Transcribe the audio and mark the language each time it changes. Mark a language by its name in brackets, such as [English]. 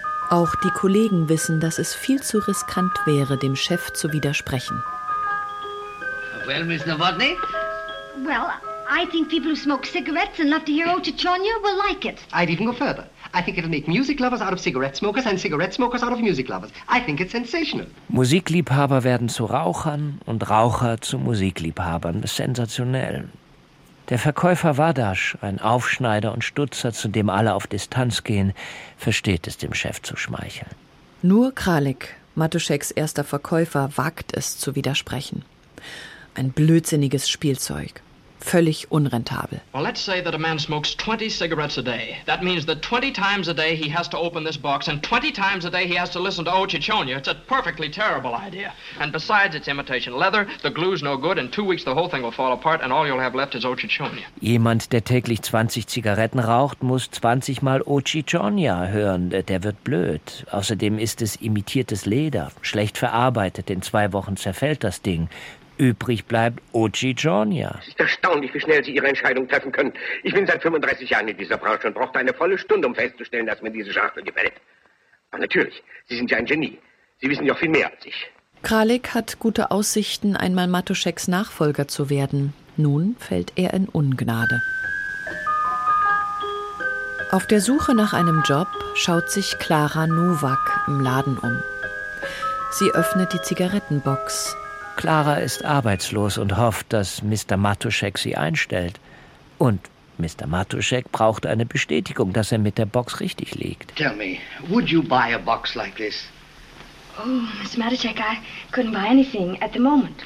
[German] Auch die Kollegen wissen, dass es viel zu riskant wäre, dem Chef zu widersprechen. [English] Well, Miss Novotny? Well, I think people who smoke cigarettes and love to hear Ochichonia will like it. I'd even go further. I think it'll make music lovers out of cigarette smokers and cigarette smokers out of music lovers. I think it's sensational. [German] Musikliebhaber werden zu Rauchern und Raucher zu Musikliebhabern. Sensationell. Der Verkäufer Wadasch, ein Aufschneider und Stutzer, zu dem alle auf Distanz gehen, versteht es, dem Chef zu schmeicheln. Nur Kralik, Matuscheks erster Verkäufer, wagt es zu widersprechen. Ein blödsinniges Spielzeug. Völlig unrentabel. Well, let's say that a man smokes 20 cigarettes a day. That means that 20 times a day he has to open this box and 20 times a day he has to listen to Old Chichonia. It's a perfectly terrible idea. And besides, it's imitation leather, the glue's no good, in 2 weeks the whole thing will fall apart and all you'll have left is Old Chichonia. Jemand, der täglich 20 Zigaretten raucht, muss 20 mal Old Chichonia hören. Der wird blöd. Außerdem ist es imitiertes Leder, schlecht verarbeitet. In 2 Wochen zerfällt das Ding. Übrig bleibt Ochichonia. Es ist erstaunlich, wie schnell Sie Ihre Entscheidung treffen können. Ich bin seit 35 Jahren in dieser Branche und brauchte eine volle Stunde, um festzustellen, dass mir diese Schachtel gefällt. Aber natürlich, Sie sind ja ein Genie. Sie wissen ja auch viel mehr als ich. Kralik hat gute Aussichten, einmal Matuscheks Nachfolger zu werden. Nun fällt er in Ungnade. Auf der Suche nach einem Job schaut sich Klara Nowak im Laden um. Sie öffnet die Zigarettenbox. Klara ist arbeitslos und hofft, dass Mr. Matuschek sie einstellt. Und Mr. Matuschek braucht eine Bestätigung, dass er mit der Box richtig liegt. [English] Tell me, would you buy a box like this? Oh, Mr. Matuschek, I couldn't buy anything at the moment.